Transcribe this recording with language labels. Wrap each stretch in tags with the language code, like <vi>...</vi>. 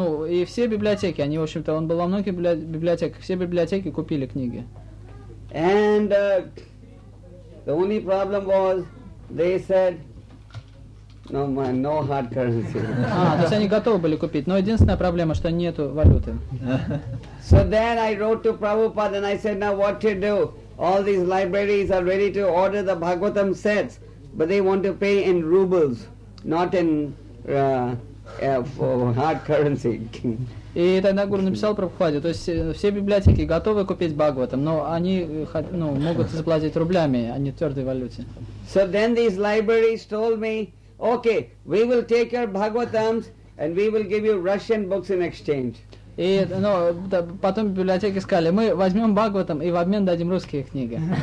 <ru>И все библиотеки, они, в общем-то, он был во многих библиотеках, все библиотеки купили книги.</ru> <en>And the only problem was, they said, no hard currency.</en> <ru>То есть они готовы были купить, но единственная проблема, что нету валюты.</ru> <en>So then I wrote to Prabhupada and I said, now what to do? All these libraries are ready to order the Bhagavatam sets, but they want to pay in rubles, not in... for hard currency.</en> <ru>И тогда гуру написал Прабхупаде, то есть все библиотеки готовы купить Бхагаватам, но они могут заплатить рублями, а не твердой валюте.</ru> <en>So then these libraries told me, okay, we will take your Bhagavatams and we will give you Russian books in exchange.</en> <ru>И потом библиотеки сказали, мы возьмем Бхагаватам и в обмен дадим русские книги.</ru>